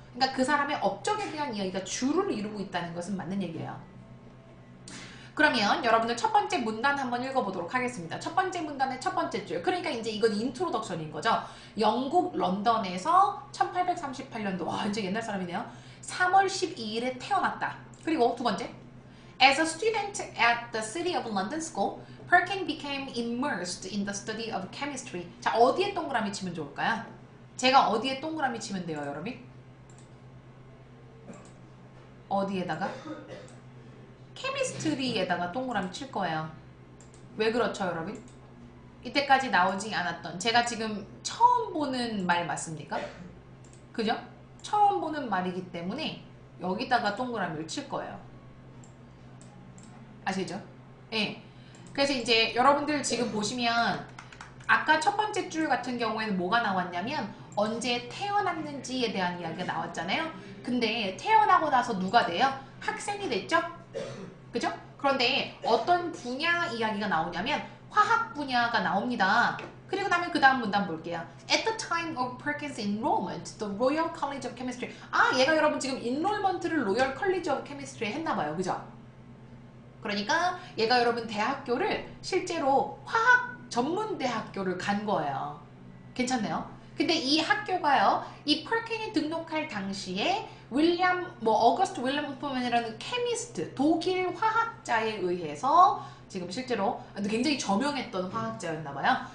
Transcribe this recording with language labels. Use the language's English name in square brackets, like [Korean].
[Korean] 그러니까 그 사람의 업적에 대한 이야기가 주를 이루고 있다는 것은 맞는 얘기예요. 그러면 여러분들 첫 번째 문단 한번 읽어보도록 하겠습니다. 첫 번째 문단의 첫 번째 줄. 그러니까 이제 이건 인트로덕션인 거죠. 영국 런던에서 1838년도, 와 이제 옛날 사람이네요. 3월 12일에 태어났다. 그리고 두 번째. [English] As a student at the City of London School, Perkin became immersed in the study of chemistry. [Korean] 자, 어디에 동그라미 치면 좋을까요? 제가 어디에 동그라미 치면 돼요, 여러분? 어디에다가? 케미스트리에다가 동그라미 칠 거예요. 왜 그렇죠, 여러분? 이때까지 나오지 않았던, 제가 지금 처음 보는 말 맞습니까? 그죠? 처음 보는 말이기 때문에 여기다가 동그라미를 칠 거예요. 아시죠? 예. 네. 그래서 이제 여러분들 지금 보시면 아까 첫 번째 줄 같은 경우에는 뭐가 나왔냐면 언제 태어났는지에 대한 이야기가 나왔잖아요. 근데 태어나고 나서 누가 돼요? 학생이 됐죠? 그죠? 그런데 어떤 분야 이야기가 나오냐면 화학 분야가 나옵니다. 그리고 나면 그 다음 문단 볼게요. [English] At the time of Perkin's enrollment, the Royal College of Chemistry. [Korean] 아, 얘가 여러분 지금 enrollment를 Royal College of Chemistry에 했나봐요. 그죠? 그러니까 얘가 여러분 대학교를 실제로 화학 전문 대학교를 간 거예요. 괜찮네요. 근데 이 학교가요, 이 퍼킨이 등록할 당시에 윌리엄 뭐 어거스트 윌리엄 포먼이라는 케미스트, 독일 화학자에 의해서 지금 실제로 굉장히 저명했던 화학자였나 봐요.